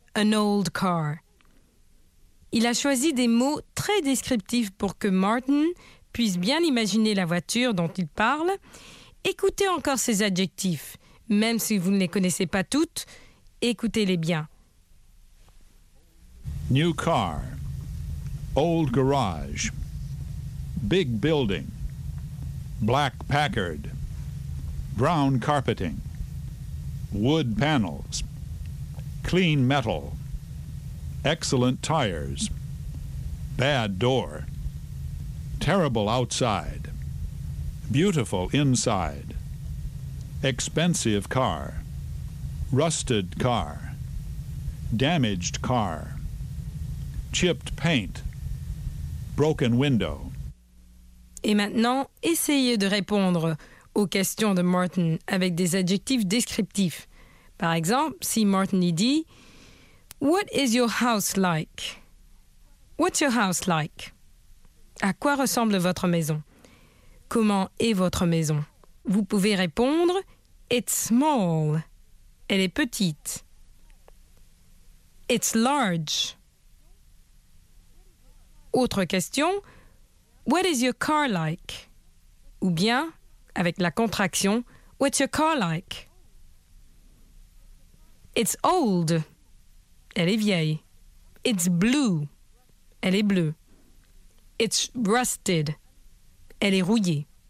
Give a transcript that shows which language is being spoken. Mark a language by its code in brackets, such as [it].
[en] an old car. [fr] Il a choisi des mots très descriptifs pour que Martin puisse bien imaginer la voiture dont il parle. Écoutez encore ces adjectifs, même si vous ne les connaissez pas toutes, écoutez-les bien. [en] New car, old garage, big building, black Packard, brown carpeting, wood panels, clean metal, excellent tires, bad door, terrible outside, beautiful inside, expensive car, rusted car, damaged car, chipped paint, broken window. [fr] Et maintenant, essayez de répondre aux questions de Martin avec des adjectifs descriptifs. Par exemple, si Martin y dit, [en] What is your house like? What's your house like? [fr] À quoi ressemble votre maison? Comment est votre maison? Vous pouvez répondre, [en] It's small. [fr] Elle est petite. [en] It's large. [fr] Autre question, [en] What is your car like? [fr] Ou bien, avec la contraction, [en] What's your car like? It's old. [fr] Elle est vieille. [en] It's blue. [fr] Elle est bleue. [en] It's rusted. [fr] Elle est rouillée.